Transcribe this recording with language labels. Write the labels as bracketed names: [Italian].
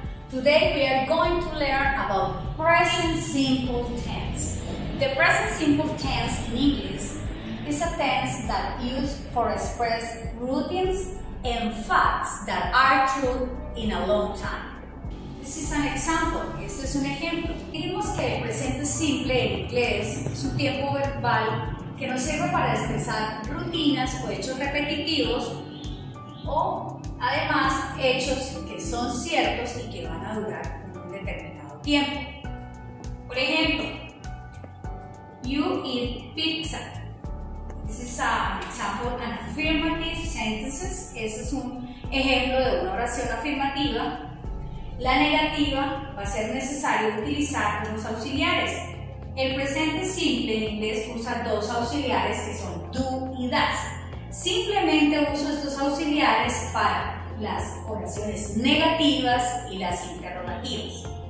[English] Today we are going to learn about present simple tense. The present simple tense in English is a tense that is used for express routines and facts that are true in a long time. This is an example. [Spanish] Esto es un ejemplo. Dijimos que el presente simple en inglés es un tiempo verbal que nos sirve para expresar rutinas o hechos repetitivos o además hechos que son ciertos y que van a durar un determinado tiempo. Por ejemplo, [English] you eat pizza. This is an example of an affirmative sentences. [Spanish] Ese es un ejemplo de una oración afirmativa. La negativa va a ser necesario utilizar unos auxiliares. El presente simple en inglés usa dos auxiliares que son do y does. Simplemente uso estos auxiliares para las oraciones negativas y las interrogativas.